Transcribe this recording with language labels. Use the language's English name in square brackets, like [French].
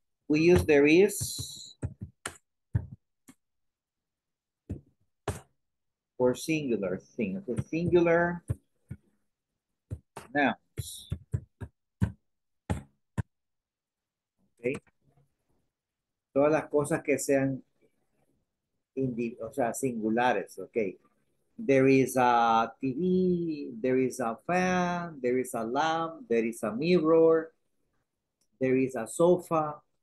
[English] We use there is for singular things, for singular nouns. Okay. [Spanish] Todas las cosas que sean o sea, singulares. [English] Okay. There is a TV, there is a fan, there is a lamp, there is a mirror, there is a sofa.